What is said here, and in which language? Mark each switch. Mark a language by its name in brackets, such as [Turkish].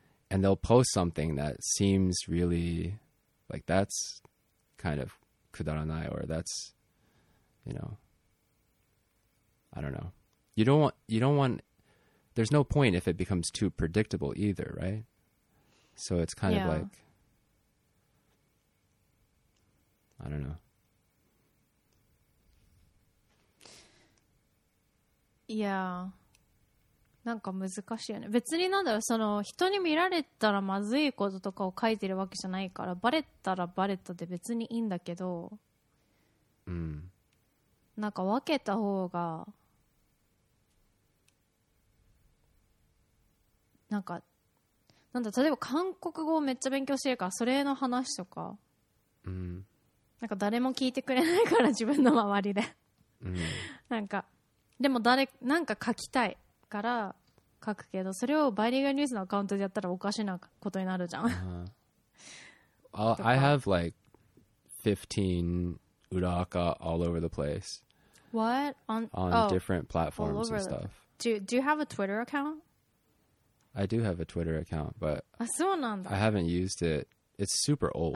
[English] And they'll post something that seems really like that's kind of kudaranai, or that's, you know, I don't know. You don't want, there's no point if it becomes too predictable either, right? So it's kind of like, I don't know. [Japanese] いやー、なんか難しいよね。別になんだろう、その人に見られたらまずいこととかを書いてるわけじゃないから、バレたらバレたで別にいいんだけど、うん、なんか分けた方がなんか、なんだ、例えば韓国語をめっちゃ勉強してるからそれの話とか、うん、なんか誰も聞いてくれないから自分の周りで、なんかでも誰なんか書きたいから書くけど、それをバイリンガルニュースのアカウントでやったらおかしなことになるじゃん。 [English] I have like 15 uraka all over the place. What? Different platforms and stuff. Do you have a Twitter account? I do have a Twitter account, but [Japanese] そうなんだ。 [English] I haven't used it. It's super old.